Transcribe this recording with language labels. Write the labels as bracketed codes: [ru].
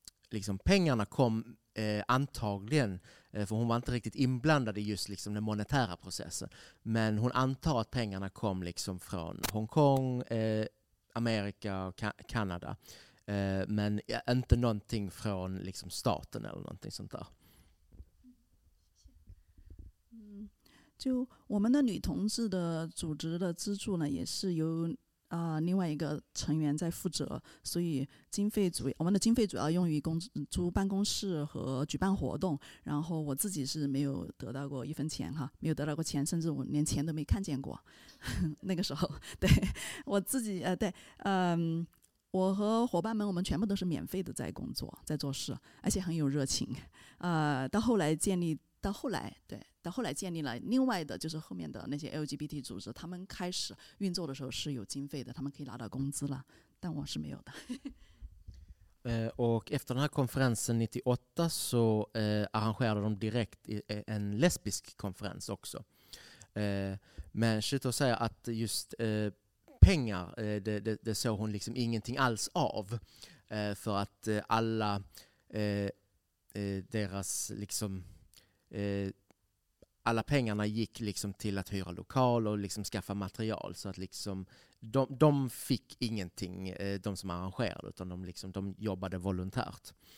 [sv] Liksom pengarna kom antagligen, för hon var inte riktigt inblandad i just liksom den monetära processen. Men hon antar att pengarna kom liksom från Hongkong, Amerika och Kanada. Men inte någonting från liksom staten eller någonting sånt där. [zh] 就我们的女同志的组织的资助呢，也是由另外一个成员在负责，所以经费主我们的经费主要用于租办公室和举办活动，然后我自己是没有得到过一分钱哈，没有得到过钱，甚至我连钱都没看见过。那个时候，对我自己对我和伙伴们，我们全部都是免费的在工作，在做事，而且很有热情。到后来建立了另外的，就是后面的那些 LGBT 组织，他们开始运作的时候是有经费的，他们可以拿到工资了，但我是没有的。 [sv] Och efter den här konferensen 98 så arrangerade de direkt en lesbisk konferens också. Men shit att säga att just pengar, det såg hon liksom ingenting alls av, för att alla deras liksom alla pengarna gick liksom till att hyra lokal och liksom skaffa material, så att liksom de fick ingenting, de som arrangerade, utan de liksom de jobbade volontärt.